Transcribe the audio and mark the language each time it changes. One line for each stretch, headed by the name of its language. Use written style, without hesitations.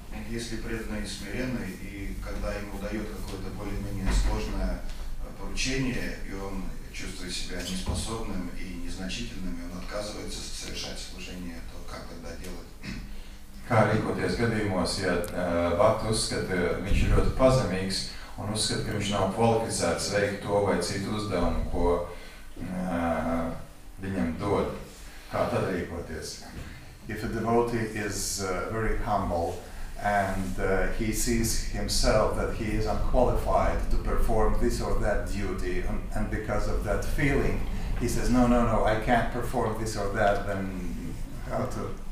Russian: Если преданный смиренный, и когда ему дают какое-то более-менее сложное поручение, и он чувствует себя неспособным и незначительным, и он отказывается совершать служение, то как тогда делать? Как
Latvian: рикоties gadījumos, ja Bhakt uzskata, viņš ir ļoti pazemīgs, un uzskata, ka viņš nav kvalificēts veikt to vai citu uzdevumu, ko viņam dod. Kā tad rīkoties?
English: If a devotee is very humble and he sees himself that he is unqualified to perform this or that duty, and because of that feeling he says no, I can't perform this or that, then what to do?